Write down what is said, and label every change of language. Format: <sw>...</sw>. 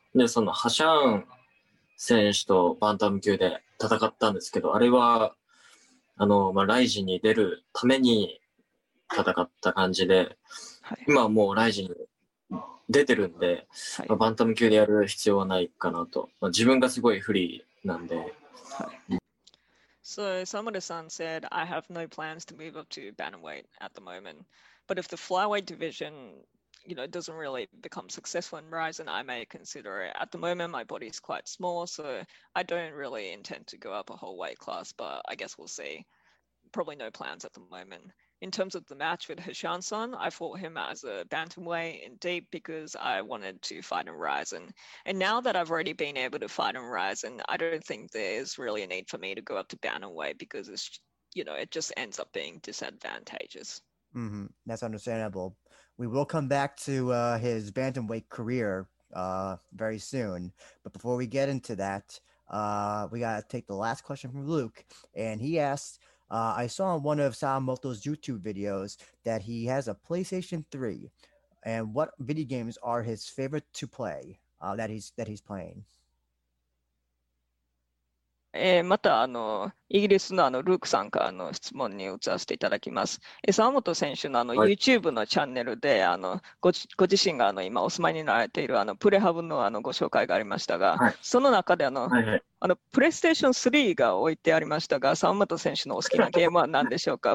<ja>でそのハシャン選手とバンタム級で戦ったんですけど、あれはあの、まあ、ライジンに出るために戦った感じで、はい、今もうライジン出てるんで、はい、まあ、バンタム級でやる必要はないかなと、まあ、自分がすごい不利なんで、</ja> <en>はい、So Samura-san said I have no plans to move up to bantamweight at the moment, but if the flyweight divisionYou know, it doesn't really become successful in Ryzen, I may consider it. At the moment, my body is quite small, so I don't really intend to go up a whole weight class, but I guess we'll see. Probably no plans at the moment. In terms of the match with Hishan-san, I fought him as a bantamweight in deep because I wanted to fight in Ryzen. And now that I've already been able to fight in Ryzen, I don't think there's really a need for me to go up to bantamweight because it's, you know, it just ends up being disadvantageous. Mm-hmm. That's understandable. We will come back to his bantamweight career very soon. But before we get into that, we got to take the last question from Luke. And he asked, I saw in one of Sawamoto's YouTube videos that he has a PlayStation 3. And what video games are his favorite to play that he's playing?</en> <ja>またあのイギリスのあのルークさんからの質問に移らせていただきます。沢本選手のあの YouTube のチャンネルで、はい、あのご自身があの今お住まいになられているあのプレハブのあのご紹介がありましたが、はい、その中であの、はいはい、あのプレイステーション3が置いてありましたが、沢本選手のお好きなゲームは何でしょうか？</ja>